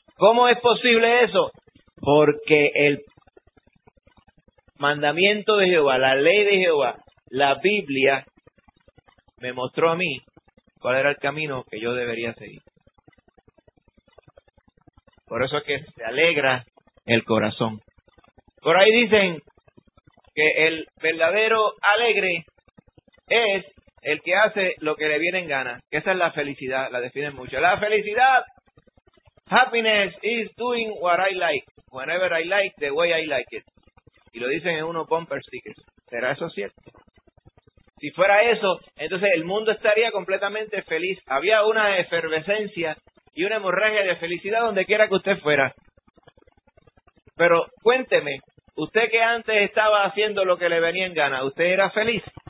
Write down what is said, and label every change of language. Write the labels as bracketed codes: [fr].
[es] ¿Cómo es posible eso? Porque el mandamiento de Jehová, la ley de Jehová, la Biblia, me mostró a mí cuál era el camino que yo debería seguir. Por eso es que se alegra el corazón. Por ahí dicen que el verdadero alegre es el que hace lo que le viene en gana. Que esa es la felicidad, la definen mucho. La felicidad, [en] happiness is doing what I like, whenever I like, the way I like it. [es] Y lo dicen en unos bumper stickers. ¿Será eso cierto? Si fuera eso, entonces el mundo estaría completamente feliz. Había una efervescencia y una hemorragia de felicidad donde quiera que usted fuera. Pero cuénteme, usted que antes estaba haciendo lo que le venía en gana, ¿usted era feliz?